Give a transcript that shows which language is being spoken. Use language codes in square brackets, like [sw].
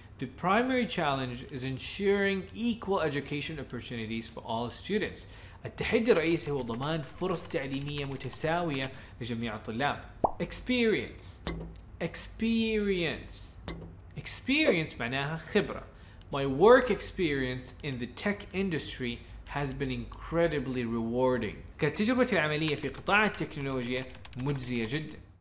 [en] The primary challenge is ensuring equal education opportunities for all students. [ar] التحدي الرئيسي هو ضمان فرص تعليمية متساوية لجميع الطلاب. Experience معناها خبرة. [en] My work experience in the tech industry has been incredibly rewarding. [ar] كانت تجربتي العملية في قطاع التكنولوجيا مجزية جدا.